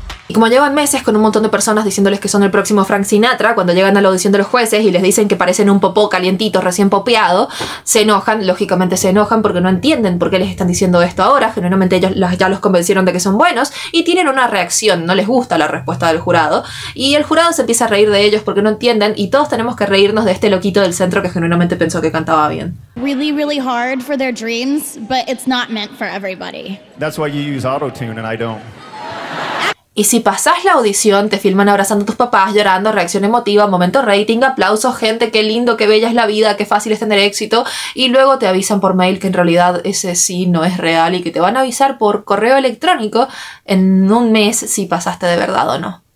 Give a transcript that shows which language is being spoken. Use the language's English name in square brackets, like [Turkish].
[Spanish] Y como llevan meses con un montón de personas diciéndoles que son el próximo Frank Sinatra, cuando llegan a la audición de los jueces y les dicen que parecen un popó calientito recién popeado, se enojan, lógicamente se enojan porque no entienden por qué les están diciendo esto ahora, generalmente ellos ya los convencieron de que son buenos, y tienen una reacción, no les gusta la respuesta del jurado, y el jurado se empieza a reír de ellos porque no entienden, y todos tenemos que reírnos de este loquito del centro que generalmente pensó que cantaba bien. [English] Really, really hard for their dreams, but it's not meant for everybody. That's why you use autotune and I don't. [Spanish] Y si pasás la audición, te filman abrazando a tus papás, llorando, reacción emotiva, momento rating, aplausos, gente, qué lindo, qué bella es la vida, qué fácil es tener éxito. Y luego te avisan por mail que en realidad ese sí no es real y que te van a avisar por correo electrónico en un mes si pasaste de verdad o no.